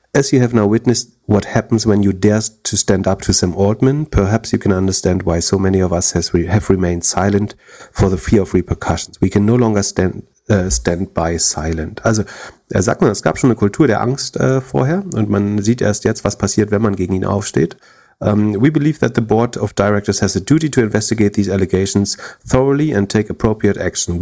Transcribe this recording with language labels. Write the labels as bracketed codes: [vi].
[en] As you have now witnessed what happens when you dare to stand up to Sam Altman, perhaps you can understand why so many of us have remained silent for the fear of repercussions. We can no longer stand by silent." [de] Also, er sagt mal, es gab schon eine Kultur der Angst vorher und man sieht erst jetzt, was passiert, wenn man gegen ihn aufsteht. [en] "We believe that the board of directors has a duty to investigate these allegations thoroughly and take appropriate action.